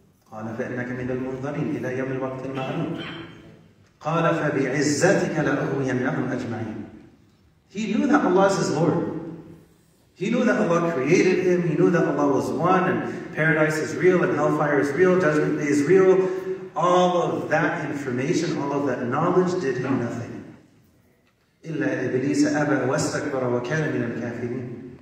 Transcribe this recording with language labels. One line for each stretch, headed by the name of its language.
Arabic: قال فإنك من المنظرين إلى يوم الوقت المعلوم. قال فبعزتك لأغوينهم أجمعين.
English: He knew that Allah is his Lord. He knew that Allah created him. He knew that Allah was one and paradise is real and hellfire is real, judgment day is real. All of that information, all of that knowledge did him nothing.
Arabic: إلا إبليس أبى واستكبر وكان من الكافرين.